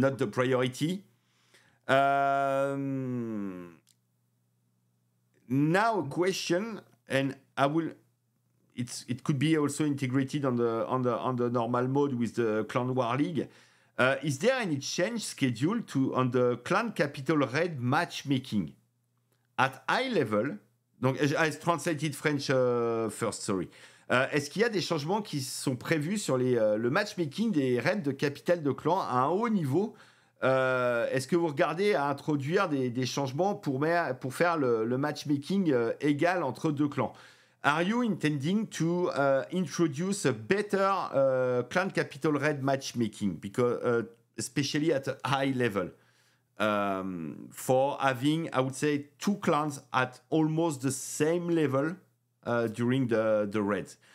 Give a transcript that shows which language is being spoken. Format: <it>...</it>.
<en>not the priority. Now a question, and I will. It could be also integrated on the normal mode with the Clan War League. Is there any change schedule to on the Clan Capital Raid matchmaking at high level? Donc, I translated French first. Sorry.</en> <fr>Est-ce qu'il y a des changements qui sont prévus sur le matchmaking des raids de capitale de clan à un haut niveau? Est-ce que vous regardez à introduire des changements pour faire le matchmaking égal entre deux clans?</fr> <en>Are you intending to introduce a better clan capital raid matchmaking, because especially at a high level, for having, I would say, two clans at almost the same level during the raid?</en>